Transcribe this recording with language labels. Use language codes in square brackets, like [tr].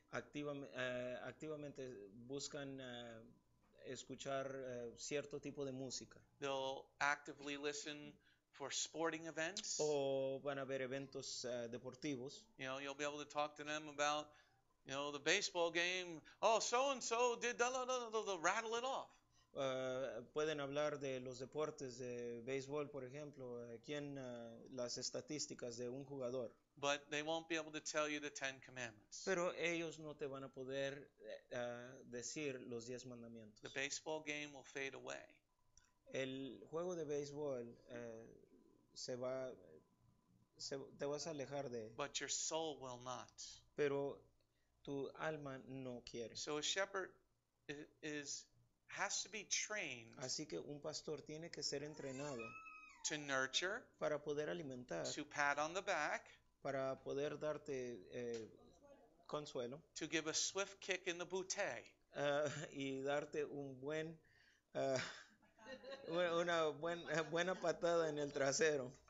[es] Activamente buscan escuchar cierto tipo de música. [en] They'll actively listen for sporting events. [es] O van a ver eventos deportivos. [en] You know, you'll be able to talk to them about, you know, the baseball game. Oh, so and so did da da da da. They'll rattle it off. [es] Pueden hablar de los deportes de béisbol, por ejemplo, quién las estadísticas de un jugador. [en] But they won't be able to tell you the Ten Commandments. [es] Pero ellos no te van a poder decir los diez mandamientos. [en] The baseball game will fade away. [es] El juego de béisbol te vas a alejar de. [en] But your soul will not. [es] Pero tu alma no quiere. [en] So a shepherd is has to be trained. [es] Así que un pastor tiene que ser entrenado. [en] To nurture. [es] Para poder alimentar. [en] To pat on the back. [es] Para poder darte consuelo. [en] To give a swift kick in the booty. [es] Y darte un buen una buena patada en el trasero.